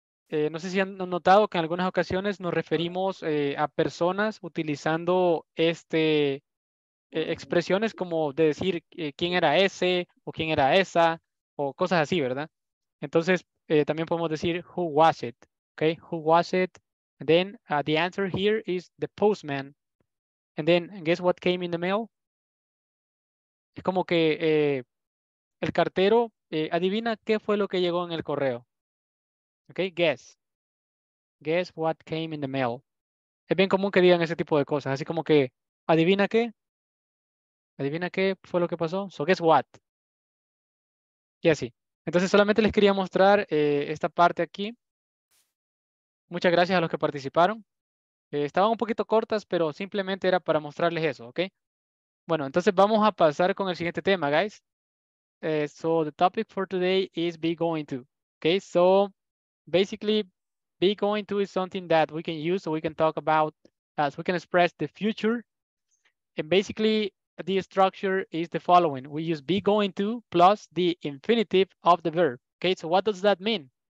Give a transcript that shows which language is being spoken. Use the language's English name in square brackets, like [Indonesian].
[Spanish] No sé si han notado que en algunas ocasiones nos referimos a personas utilizando este expresiones como de decir quién era ese o quién era esa o cosas así, ¿verdad? Entonces, también podemos decir [English] who was it, okay? Who was it? And then the answer here is the postman. And then, guess what came in the mail? [Spanish] Es como que el cartero, adivina qué fue lo que llegó en el correo. Okay, guess. [English] Guess what came in the mail. [Spanish] Es bien común que digan ese tipo de cosas. Así como que, adivina qué. Adivina qué fue lo que pasó. [English] So, guess what. [Spanish] Y así. Entonces, solamente les quería mostrar esta parte aquí. Muchas gracias a los que participaron. Estaban un poquito cortas, pero simplemente era para mostrarles eso, ¿ok? Bueno, entonces vamos a pasar con el siguiente tema, guys. [English] So, the topic for today is be going to, ¿ok? So, basically, be going to is something that we can use, so we can talk about, as we can express the future. And basically, the structure is the following. We use be going to plus the infinitive of the verb, ¿ok? So, what does that mean?